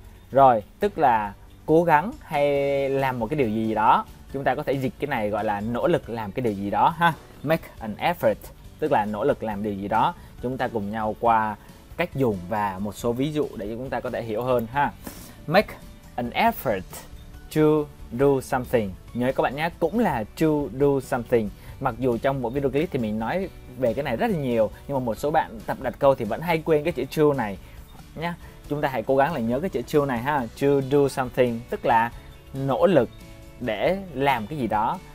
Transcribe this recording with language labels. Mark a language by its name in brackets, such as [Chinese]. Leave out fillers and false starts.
[Vietnamese] Rồi, tức là cố gắng hay làm một cái điều gì đó. Chúng ta có thể dịch cái này gọi là nỗ lực làm cái điều gì đó ha. [English] Make an effort, [Vietnamese] tức là nỗ lực làm điều gì đó. Chúng ta cùng nhau qua cách dùng và một số ví dụ để chúng ta có thể hiểu hơn ha. [English] Make an effort to do something. [Vietnamese] Nhớ các bạn nhé, cũng là [English] to do something. [Vietnamese] Mặc dù trong mỗi video clip thì mình nói về cái này rất là nhiều, nhưng mà một số bạn tập đặt câu thì vẫn hay quên cái chữ to này nhá. Chúng ta hãy cố gắng là nhớ cái chữ to này ha. [English] To do something, [Vietnamese] tức là nỗ lực để làm cái gì đó.